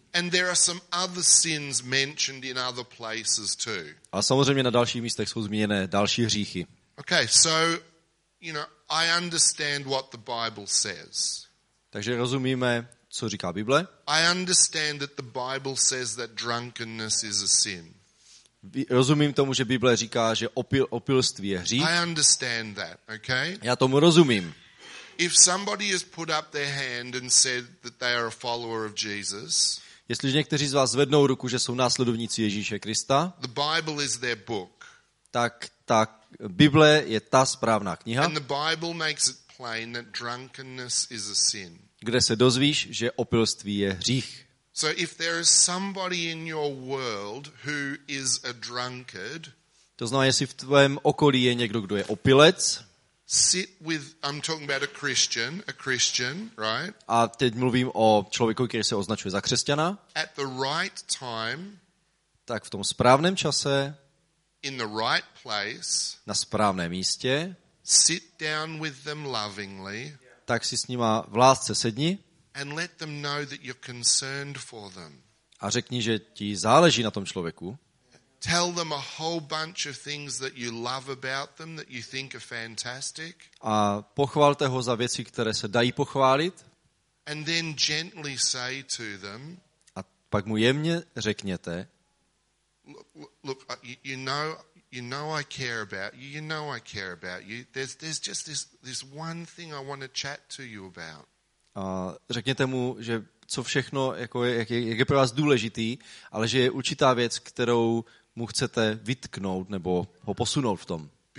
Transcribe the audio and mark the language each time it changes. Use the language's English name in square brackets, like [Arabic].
[English] And there are some other sins mentioned in other places too. [Czech] A samozřejmě na dalších místech jsou zmíněné další hříchy. [English] Okay, so you know, I understand what the Bible says. [Czech] Takže rozumíme, co říká Bible? [English] I understand that the Bible says that drunkenness is a sin. [Czech] Rozumím tomu, že Bible říká, že opilství je hřích. [English] I understand that, okay? [Czech] Já tomu rozumím. [English] If somebody has put up their hand and said that they are a follower of Jesus, [Czech] jestliže někteří z vás zvednou ruku, že jsou následovníci Ježíše Krista, [English] the Bible is their book. [Czech] Tak Bible je ta správná kniha. [English] And the Bible makes it plain that drunkenness is a sin. [Czech] Kde se dozvíš, že opilství je hřích. [English] So if there is somebody in your world who is a drunkard, [Czech] to znamená, jestli v tvém okolí je někdo, kdo je opilec. [English] Sit with, I'm talking about a Christian, right? [Czech] A teď mluvím o člověku, který se označuje za křesťana. [English] At the right time, [Czech] tak v tom správném čase, [English] in the right place, [Czech] na správném místě, [English] sit down with them lovingly, [Czech] tak si s nima v lásce sedni. [English] And let them know that you're concerned for them. [Czech] A řekni, že ti záleží na tom člověku. [English] Tell them a whole bunch of things that you love about them, that you think are fantastic. [Czech] A pochvalte ho za věci, které se dají pochválit. [English] And then gently say to them. [Czech] A pak mu jemně řekněte. [English] Look, you know I care about you. You know I care about you. There's just this one thing I want to chat to you about. [Czech] A řekněte mu, že co všechno, jako jak je pro vás důležitý, ale že je určitá věc, kterou mu chcete vytknout nebo ho posunout v tom.